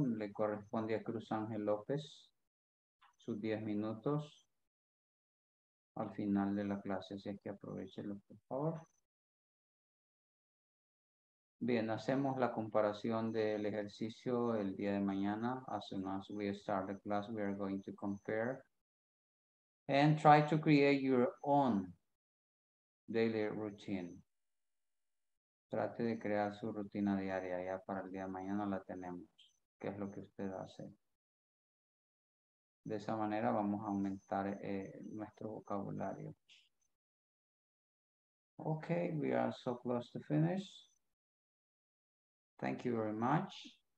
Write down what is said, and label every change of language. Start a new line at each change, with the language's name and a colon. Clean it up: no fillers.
Spanish: Le corresponde a Cruz Ángel López sus 10 minutos. Al final de la clase, así es que aprovechenlo, por favor. Bien, hacemos la comparación del ejercicio el día de mañana.
English: As soon as we start the class, we are going to compare. And try to create your own daily routine.
Spanish: Trate de crear su rutina diaria. Ya para el día de mañana la tenemos. ¿Qué es lo que usted hace? De esa manera vamos a aumentar nuestro vocabulario.
English: Okay, we are so close to finish. Thank you very much.